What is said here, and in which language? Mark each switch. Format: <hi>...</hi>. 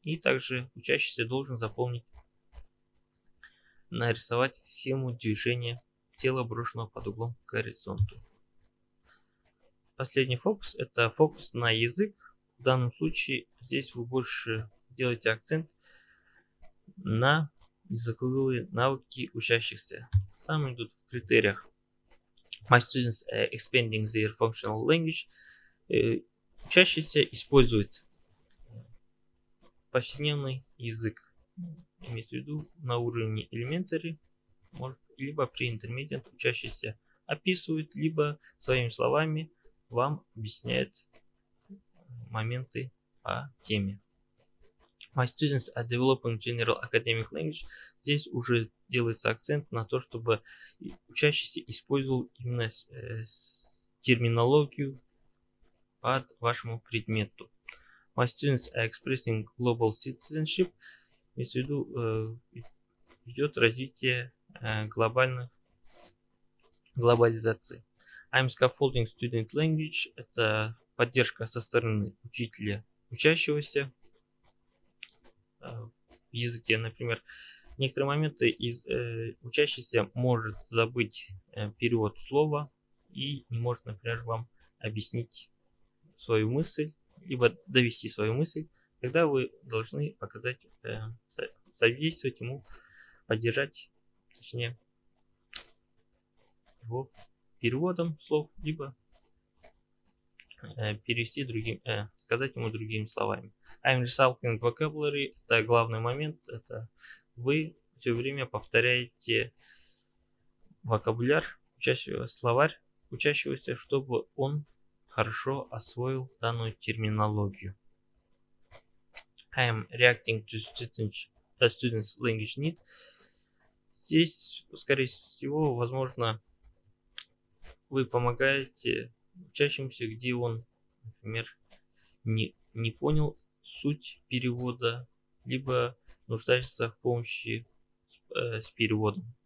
<ru>И также учащийся должен нарисовать схему движения тела, брошенного под углом к горизонту. Последний фокус – это фокус на язык. В данном случае здесь вы больше делаете акцент на языковые навыки учащихся. Там идут в критериях</ru> <en>«My students are expanding their functional language».</en> <ru>Учащийся использует повседневный язык, имеется в виду на уровне elementary, может, либо при intermediate учащийся описывает, либо своими словами вам объясняет моменты по теме.</ru> <en>My students are developing general academic language.</en> <ru>Здесь уже делается акцент на то, чтобы учащийся использовал именно терминологию под вашему предмету.</ru> <en>My students are expressing global citizenship.</en> <ru>Имеется в виду, идет развитие глобальных глобализации.</ru> <en>I'm scaffolding student language.</en> <ru>Это поддержка со стороны учителя учащегося в языке. Например, некоторые моменты учащийся может забыть перевод слова и не может, например, вам объяснить свою мысль, либо довести свою мысль, тогда вы должны показать, содействовать ему, поддержать, точнее, его переводом слов, либо перевести другим, сказать ему другими словами.</ru> <en>I'm resolving vocabulary</en> <ru>– это главный момент, это вы все время повторяете вокабуляр, словарь учащегося, чтобы он хорошо освоил данную терминологию.</ru> <en>I am reacting to students' language need.</en> <ru>Здесь, скорее всего, возможно, вы помогаете учащемуся, где он, например, не понял суть перевода, либо нуждается в помощи с переводом.</ru>